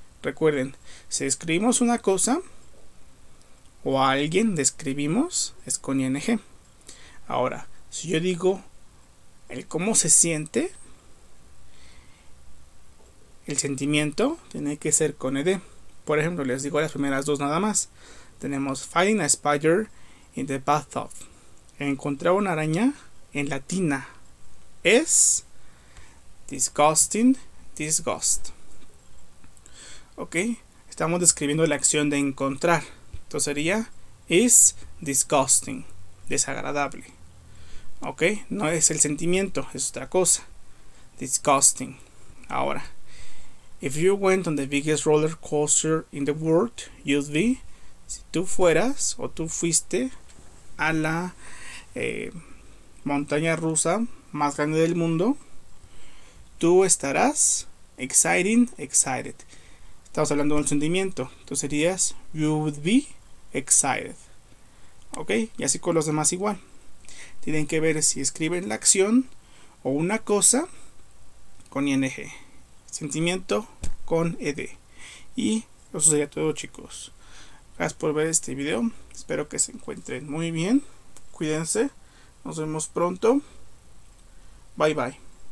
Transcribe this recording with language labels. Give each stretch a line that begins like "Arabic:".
Spanish: Recuerden, si escribimos una cosa o a alguien describimos, es con ing. Ahora, si yo digo el cómo se siente, el sentimiento tiene que ser con ed. Por ejemplo, les digo las primeras dos nada más. Tenemos
English: finding a spider in the bathtub.
Spanish: Encontrar una araña en la tina es disgusting, disgust. Ok, estamos describiendo la acción de encontrar. Entonces sería is disgusting, desagradable. Ok, no es el sentimiento, es otra cosa. Disgusting.
English: Ahora, if you went on the biggest roller coaster in the world, you'd be.
Spanish: Si tú fueras o tú fuiste a la montaña rusa más grande del mundo, tú estarás exciting, excited. Estamos hablando de un sentimiento. Tú serías
English: you would be excited.
Spanish: Ok, y así con los demás igual. Tienen que ver si escriben la acción o una cosa con ing, sentimiento con ed. Y eso sería todo, chicos. Gracias por ver este video. Espero que se encuentren muy bien. Cuídense. Nos vemos pronto. Bye bye.